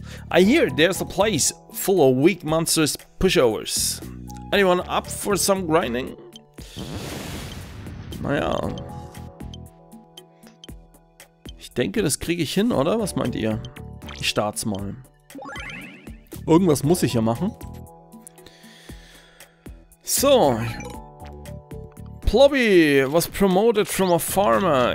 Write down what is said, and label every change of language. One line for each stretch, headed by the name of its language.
English: I hear there's a place full of weak monsters pushovers. Anyone up for some grinding?
German: Naja. Ich denke, das kriege ich hin, oder? Was meint ihr? Ich start's mal. Irgendwas muss ich ja machen. So.
English: Plobby was promoted from a farmer.